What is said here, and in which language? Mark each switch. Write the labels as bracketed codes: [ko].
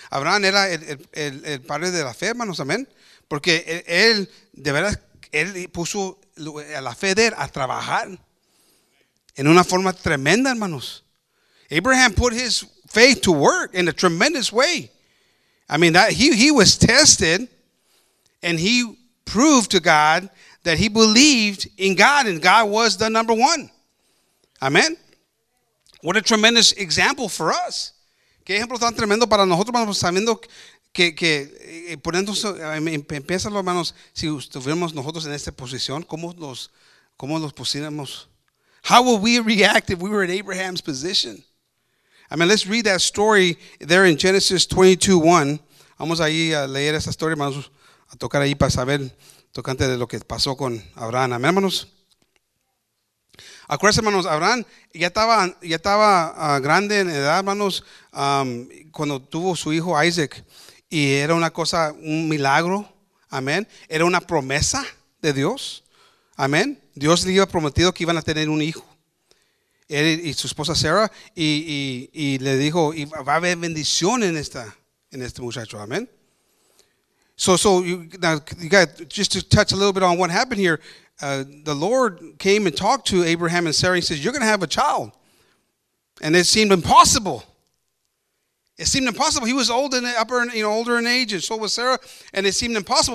[es] Abraham era el padre de la fe, hermanos, amén. Porque él, de verdad, él puso a la fe de él a trabajar en una forma tremenda, hermanos. [en] Abraham put his faith to work in a tremendous way. I mean, that he was tested, and he proved to God that he believed in God and God was the number one. Amen. What a tremendous example for us. [es] Qué ejemplo tan tremendo para nosotros, sabiendo que poniendo, empieza los hermanos, si estuviéramos nosotros en esta posición, ¿cómo los pusiéramos? [en] How would we react if we were in Abraham's position? I mean, let's read that story there in Genesis 22:1. [es] Vamos ahí a leer esa historia, hermanos, a tocar ahí para saber tocante de lo que pasó con Abraham. Amén, hermanos. Acuérdense, hermanos, Abraham ya estaba grande en edad, hermanos, cuando tuvo su hijo Isaac. Y era una cosa, un milagro. Amén. Era una promesa de Dios. Amén. Dios le había prometido que iban a tener un hijo. Él y su esposa Sarah. Y le dijo, y va a haber bendición en este muchacho. Amén. [en] So you got just to touch a little bit on what happened here. The Lord came and talked to Abraham and Sarah and says, you're going to have a child. And it seemed impossible. It seemed impossible. He was old in the upper, you know, older in age, and so was Sarah. And it seemed impossible.